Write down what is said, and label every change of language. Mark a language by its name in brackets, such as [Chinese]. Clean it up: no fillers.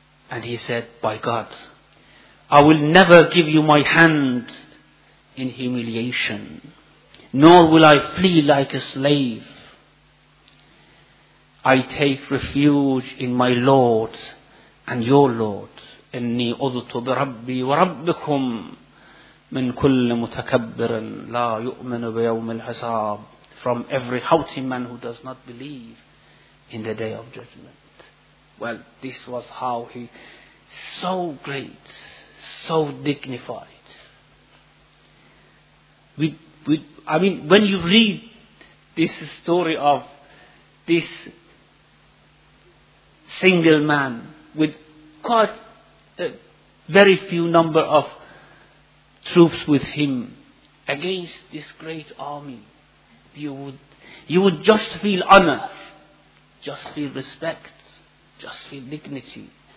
[English] And he said, by God, I will never give you my hand in humiliation, nor will I flee like a slave. I take refuge in my Lord and your Lord. [Arabic] إني أذت بربي وربكم من كل متكبر لا يؤمن بيوم الحساب. [English] From every haughty man who does not believe in the day of judgment. Well, this was how he, so great, so dignified. When you read this story of this single man with quite a very few number of troops with him against this great army, you would just feel honor, just feel respect, just feel dignity.